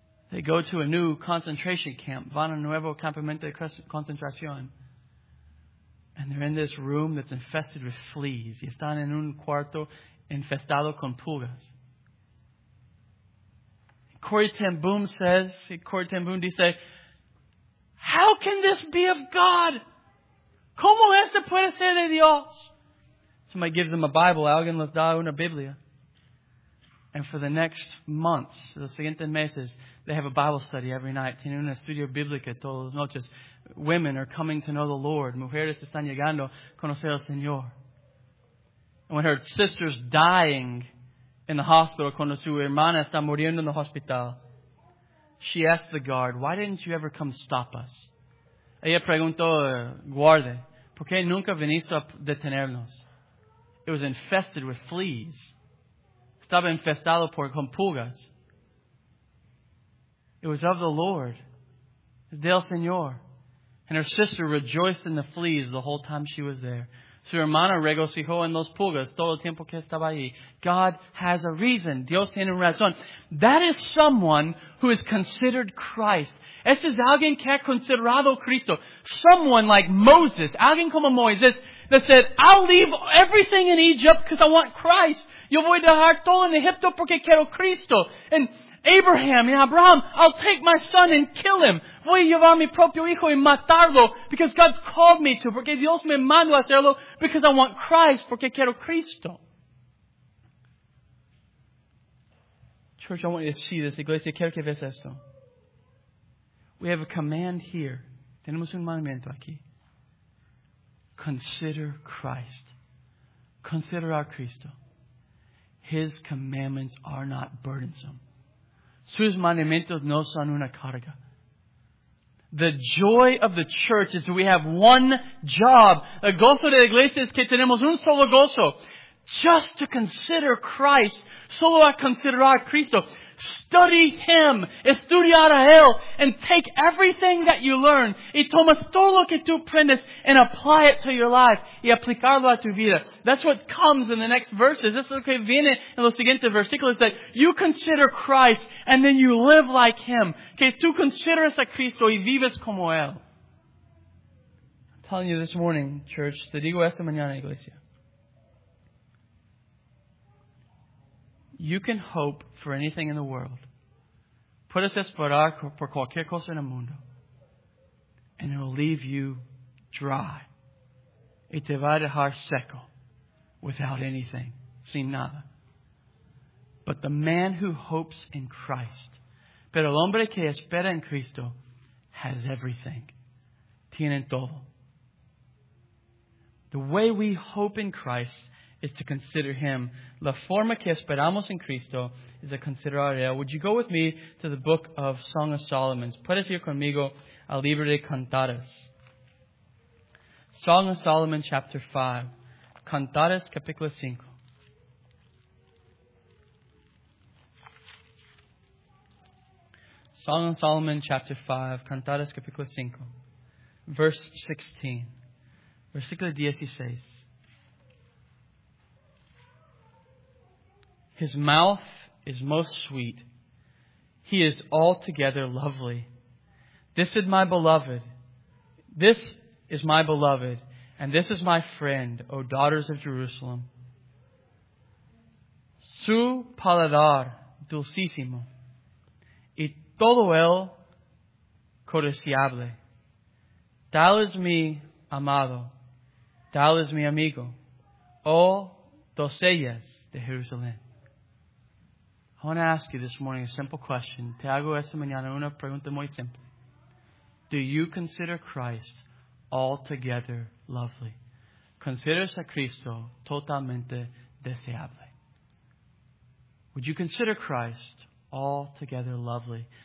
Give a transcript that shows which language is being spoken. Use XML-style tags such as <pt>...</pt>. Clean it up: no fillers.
<en>They go to a new concentration camp.</en> <es>Van a nuevo campamento de concentración.</es> <en>And they're in this room that's infested with fleas.</en> <es>Y están en un cuarto infestado con pulgas.</es> <en>Corrie ten Boom dice, how can this be of God?</en> <es>¿Cómo esto puede ser de Dios?</es> <en>Somebody gives them a Bible.</en> <es>Alguien les da una Biblia.</es> <en>And for the next months,</en> <es>los siguientes meses,</es> <en>they have a Bible study every night.</en> <es>Tienen una estudio bíblica todas las noches.</es> <en>Women are coming to know the Lord.</en> <es>Mujeres están llegando a conocer al Señor.</es> <en>And when her sister's dying in the hospital,</en> <es>cuando su hermana está muriendo en el hospital,</es> <en>she asked the guard, why didn't you ever come stop us?</en> <es>Ella preguntó, guarde, ¿por qué nunca viniste a detenernos?</es> <en>It was infested with fleas.</en> <es>Estaba infestado por con pulgas.</es> <en>It was of the Lord,</en> <es>del Señor.</es> <en>And her sister rejoiced in the fleas the whole time she was there.</en> <es>Su hermana regocijó en los pulgas todo el tiempo que estaba ahí.</es> <en>God has a reason.</en> <es>Dios tiene una razón.</es> <en>That is someone who is considered Christ.</en> <es>Ese es alguien que ha considerado Cristo.</es> <en>Someone like Moses.</en> <es>Alguien como Moisés</es> <en>that said, I'll leave everything in Egypt because I want Christ.</en> <es>Yo voy a dejar todo en Egipto porque quiero Cristo.</es> <en>And Abraham, and Abraham, I'll take my son and kill him.</en> <es>Voy a llevar mi propio hijo y matarlo</es> <en>because God called me to,</en> <es>porque Dios me mandó a hacerlo</es> <en>because I want Christ,</en> <es>porque quiero Cristo.</es> <en>Church, I want you to see this.</en> <es>Iglesia, quiero que veas esto.</es> <en>We have a command here.</en> <es>Tenemos un mandamiento aquí.</es> <en>Consider Christ. Consider our Cristo. His commandments are not burdensome.</en> <es>Sus mandamientos no son una carga.</es> <en>The joy of the church is that we have one job.</en> <es>El gozo de la iglesia es que tenemos un solo gozo.</es> <en>Just to consider Christ.</en> <es>Solo a considerar Cristo.</es> <en>Study Him.</en> <es>Estudiar a Él.</es> <en>And take everything that you learn.</en> <es>Y toma todo lo que tú aprendes.</es> <en>And apply it to your life.</en> <es>Y aplicarlo a tu vida.</es> <en>That's what comes in the next verses. This is what</en> <es>viene en los siguientes versículos.</es> <en>That you consider Christ. And then you live like Him.</en> <es>Que tú consideras a Cristo y vives como Él.</es> <en>I'm telling you this morning, church.</en> <es>Te digo esta mañana, iglesia.</es> <en>You can hope for anything in the world.</en> <es>Puedes esperar por cualquier cosa en el mundo.</es> <en>And it will leave you dry.</en> <es>Y te va a dejar seco.</es> <en>Without anything.</en> <es>Sin nada.</es> <en>But the man who hopes in Christ.</en> <es>Pero el hombre que espera en Cristo.</es> <en>Has everything.</en> <es>Tiene todo.</es> <en>The way we hope in Christ. Is to consider Him.</en> <es>La forma que esperamos en Cristo es a considerar a Él.</es> <en>Would you go with me to the book of Song of Solomon?</en> <es>Puedes ir conmigo al libro de Cantares.</es> <en>Song of Solomon, chapter 5.</en> <es>Cantares, capítulo 5.</es> <en>Song of Solomon, chapter 5.</en> <es>Cantares, capítulo 5.</es> <en>Verse 16.</en> <es>Versículo 16.</es> <en>His mouth is most sweet. He is altogether lovely. This is my beloved. This is my beloved. And this is my friend, O daughters of Jerusalem.</en> <es>Su paladar dulcísimo. Y todo él codiciable. Tal es mi amado. Tal es mi amigo. O doncellas de Jerusalén.</es> <en>I want to ask you this morning a simple question.</en> <es>Te hago esta mañana una pregunta muy simple.</es> <en>Do you consider Christ altogether lovely?</en> <es>¿Consideras a Cristo totalmente deseable?</es> <en>Would you consider Christ altogether lovely?</en>